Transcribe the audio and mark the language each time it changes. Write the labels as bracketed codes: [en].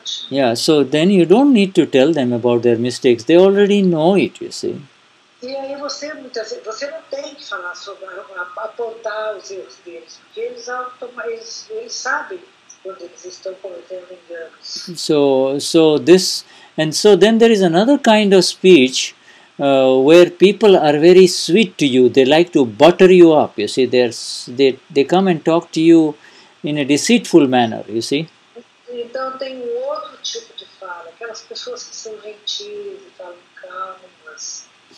[en] Yeah, so then you don't need to tell them about their mistakes. They already know it, you see. [pt] E aí você, muitas vezes, você não tem que falar sobre, apontar os erros deles, porque eles sabem quando eles estão cometendo enganos. [en] So then there is another kind of speech where people are very sweet to you, they like to butter you up, you see, they come and talk to you in a deceitful manner, you see. [pt] Então tem um outro tipo de fala, aquelas pessoas que são gentis e falam calmas.